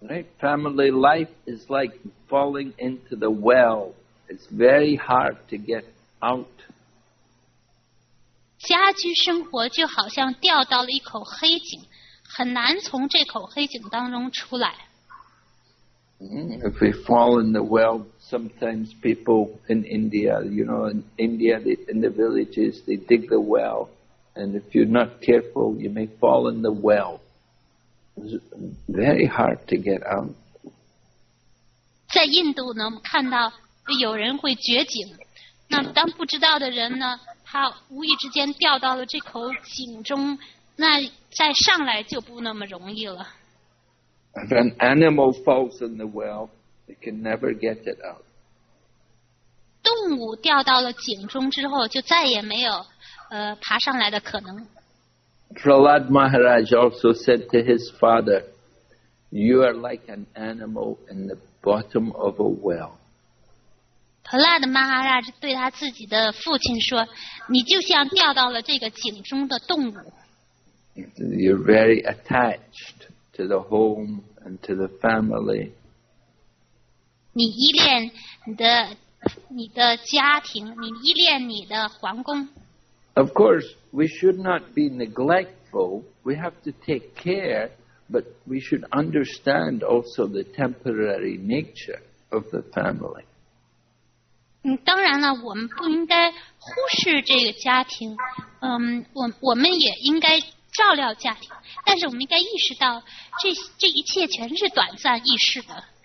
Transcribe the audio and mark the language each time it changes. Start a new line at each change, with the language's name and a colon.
English: Right, family life is like falling into the well. It's very hard to get. Out.
Chinese: 家居生活就好像掉到了一口黑井，很难从这口黑井当中出来。
English: If we fall in the well, sometimes people in India, you know, in India, in the villages, they dig the well, and if you're not careful, you may fall in the well. It's very hard to get out.
Chinese: 在印度呢，我们看到有人会掘井。那当不知道的人呢，他无意之间掉到了这口井中，那再上来就不那么容易了。
English: If an animal falls in the well, it can never get it out.
Chinese: 动物掉到了井中之后，就再也没有爬上来的可能。
English: Prahlad Maharaj also said to his father, "You are like an animal in the bottom of a well."
Chinese: 普拉德马哈拉就对他自己的父亲说，你就像掉到了这个井中的动物。
English: You're very attached to the home and to the family.
Chinese: 你依恋你的家庭，你依恋你的皇宫。
English: Of course, we should not be neglectful. We have to take care, but we should understand also the temporary nature of the family.
Chinese: 当然了，我们不应该忽视这个家庭。我们也应该照料家庭，但是我们应该意识到这一切全是短暂易逝的。